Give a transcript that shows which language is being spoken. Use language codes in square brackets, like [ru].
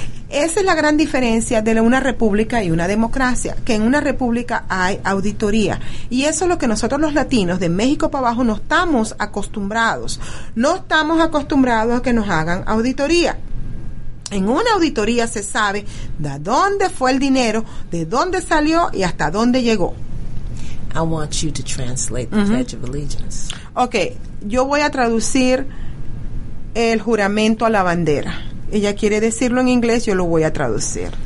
[es] Esa es la gran diferencia de una república y una democracia, que en una república hay auditoría. Y eso es lo que nosotros los latinos de México para abajo no estamos acostumbrados. No estamos acostumbrados a que nos hagan auditoría. En una auditoría se sabe de dónde fue el dinero, de dónde salió y hasta dónde llegó. [en] I want you to translate the Pledge of Allegiance. [es] Okay, yo voy a traducir el juramento a la bandera. Ella quiere decirlo en inglés, yo lo voy a traducir.